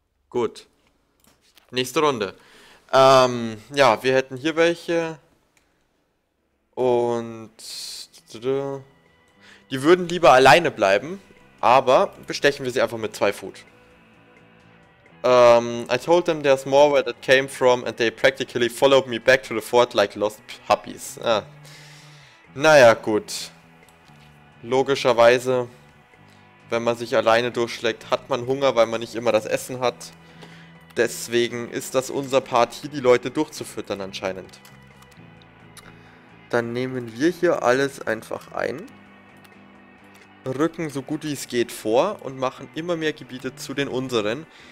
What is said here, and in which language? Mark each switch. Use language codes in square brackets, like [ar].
[de] Gut. Nächste Runde. Ja, wir hätten hier welche. Und die würden lieber alleine bleiben. Aber bestechen wir sie einfach mit zwei Food. [en] I told them there's more where that came from and they practically followed me back to the fort like lost puppies. [de] Ah. Naja, gut. Logischerweise, wenn man sich alleine durchschlägt, hat man Hunger, weil man nicht immer das Essen hat. Deswegen ist das unser Part, hier die Leute durchzufüttern anscheinend. Dann nehmen wir hier alles einfach ein. Rücken so gut wie es geht vor und machen immer mehr Gebiete zu den unseren.